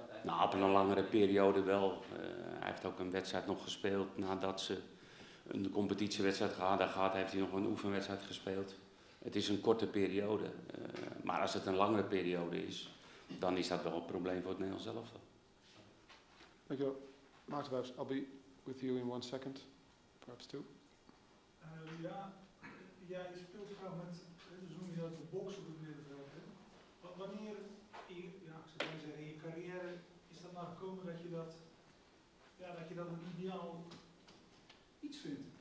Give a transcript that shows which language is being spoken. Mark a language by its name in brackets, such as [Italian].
[Dutch] Want nou, op een langere periode wel. Hij heeft ook een wedstrijd nog gespeeld nadat ze een competitiewedstrijd gehad, heeft hij nog een oefenwedstrijd gespeeld. Het is een korte periode, maar als het een langere periode is, dan is dat wel een probleem voor het Nederlands zelf. Dankjewel. [English] Maarten Wijfs, I'll be with you in one second, perhaps two. [Dutch] Jij speelt graag met, dus noem je dat, de box op het middenveld. Wanneer in je carrière is dat nou gekomen dat je dat, dat je dat een ideaal iets vindt?